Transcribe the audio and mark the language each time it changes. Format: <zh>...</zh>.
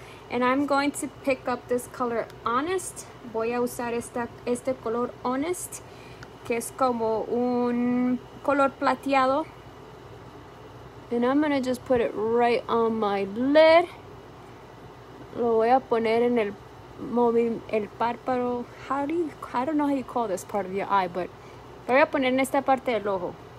<en>And I'm going to pick up this color Honest.</en> <es>Voy a usar este color Honest, que es como un color plateado.</es> <en>And I'm gonna just put it right on my lid.</en> <es>Lo voy a poner en el párpado.</es> <en>I don't know how you call this part of your eye, but</en> <es>lo voy a poner en esta parte del ojo.</es>